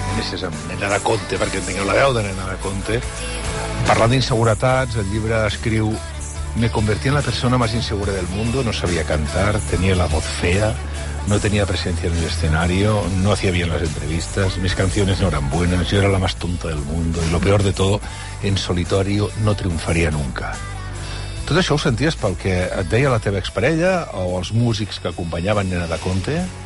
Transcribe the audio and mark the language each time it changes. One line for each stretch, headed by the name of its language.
Catalan: És amb Nena de Conte, perquè tingueu la veu de Nena de Conte. Parlant d'inseguretats, el llibre escriu:
Spanish: me convertí en la persona más insegura del mundo, no sabía cantar, tenía la voz fea, no tenía presencia en el escenario, no hacía bien las entrevistas, mis canciones no eran buenas, yo era la más tonta del mundo, y lo peor de todo, en solitario no triunfaría nunca.
Catalan: Tot això ho senties pel que et deia la teva exparella o els músics que acompanyaven Nena de Conte?